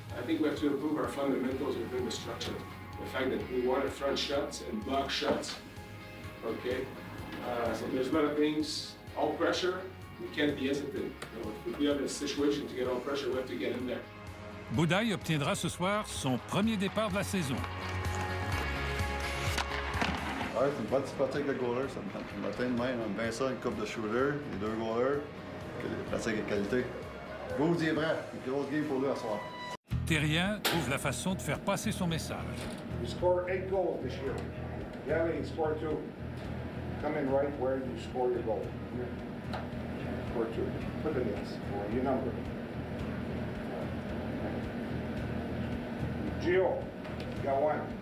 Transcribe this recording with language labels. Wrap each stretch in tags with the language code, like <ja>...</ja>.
<en>I think we have to improve our fundamentals and improve the structure. The fact that we want front shots and block shots, okay? So there's a lot of things, all pressure, we can't be hesitant. You know, if we have a situation to get all pressure, we have to get in there.</en> <fr>Boudaille obtiendra ce soir son premier départ de la saison. Alright, une bonne partie avec le goaler, ça me tente le matin de même. Vincent, une couple de shooter, les deux goalers, que les pratiques de qualité. Vous vous dites vrai, une grosse game pour lui à soir. Thérien trouve la façon de faire passer son message.</fr> <en>We score 8 goals this year. Yeah, we score 2. Come in right where you score your goal. Yeah. Score 2. Put it in. Score your number. Gio, got one.</en>